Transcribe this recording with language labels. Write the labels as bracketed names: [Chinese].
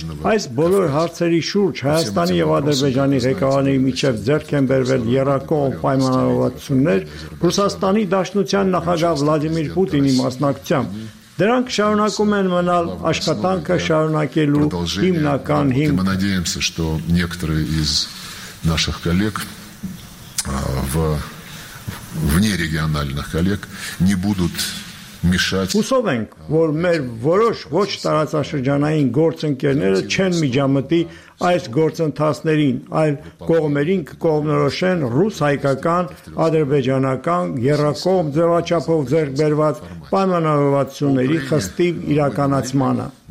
[Armenian] Այս բոլոր հարցերի շուրջ Հայաստանի և Ադրբեջանի ղեկավարների միջև ձեռք են բերվել եռակողմ պայմանավորվածություններ Ռուսաստանի Դաշնության նախագահ Վլադիմիր Պուտինի մասնակցությամբ։ Դրանք շարունակում են մնալ աշխատանքը շարունակելու հիմնական հիմքը։ [Russian] Мы надеемся, что некоторые из наших коллег в вне региональных коллег не будут мешать. [Armenian] Ուսովենք, որ մեր որոշ ոչ տարածաշրջանային գործընկերները չեն միջամտի այս գործընթացներին, այլ կողմերին կողմնորոշեն ռուս-հայկական, ադրբեջանական, երկկողմ ձևաչափով ձեռքբերված պայմանավորվածությունների խստիվ իրականացմանը։